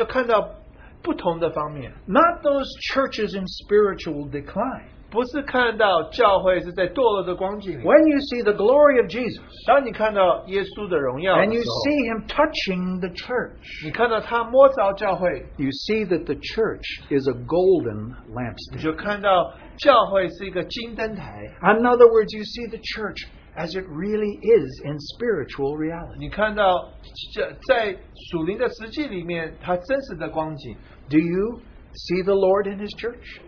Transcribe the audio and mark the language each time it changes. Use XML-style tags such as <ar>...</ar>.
<zh>他就看到教会，他就看到不同的方面。</zh> <en>Not those churches in spiritual decline.</en> <zh>不是看到教会是在堕落的光景里。</zh> <en>When you see the glory of Jesus,</en> <zh>当你看到耶稣的荣耀的时候,</zh> <en>and you see him touching the church,</en> <zh>你看到他摸着教会,</zh> <en>you see that the church is a golden lampstand.</en> <zh>你就看到教会是一个金灯台。</zh> <en>In other words, you see the church as it really is in spiritual reality.</en> <zh>你看到在属灵的实际里面他真实的光景。</zh> <en>Do you see the Lord in his church?</en>